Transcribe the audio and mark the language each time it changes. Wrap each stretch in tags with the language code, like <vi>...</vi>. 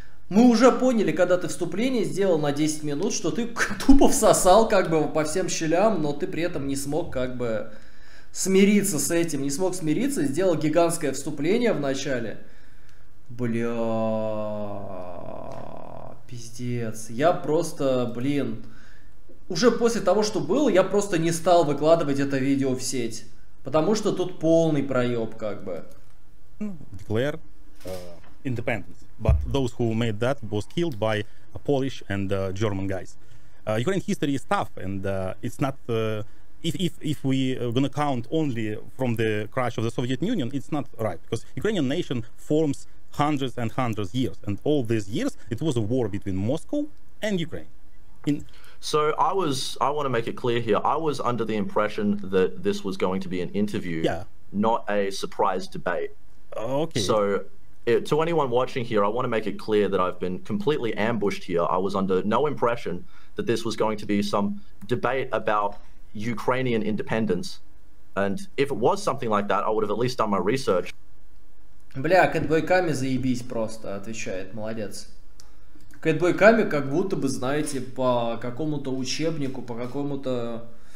<ru>Мы уже поняли, когда ты вступление сделал на 10 минут, что ты тупо всосал как бы по всем щелям, но ты при этом не смог как бы смириться с этим, не смог смириться, сделал гигантское вступление в начале. Бля, пиздец. Я просто, блин, уже после того, что было, я просто не стал выкладывать это видео в сеть, потому что тут полный проеб как бы.</ru> <en>Declare independence, but those who made that was killed by Polish and German guys. Ukraine history is tough, and it's not if we are gonna count only from the crash of the Soviet Union, it's not right, because Ukrainian nation forms hundreds and hundreds of years, and all these years it was a war between Moscow and Ukraine. I want to make it clear here. I was under the impression that this was going to be an interview, yeah, not a surprise debate. Okay. So, to anyone watching here, I want to make it clear that I've been completely ambushed here. I was under no impression that this was going to be some debate about Ukrainian independence. And if it was something like that, I would have at least done my research.</en> <ru>Бля, Кэтбойками заебись просто, отвечает, молодец. Кэтбойками как будто бы, знаете, по какому-то учебнику, по какому-то...</ru>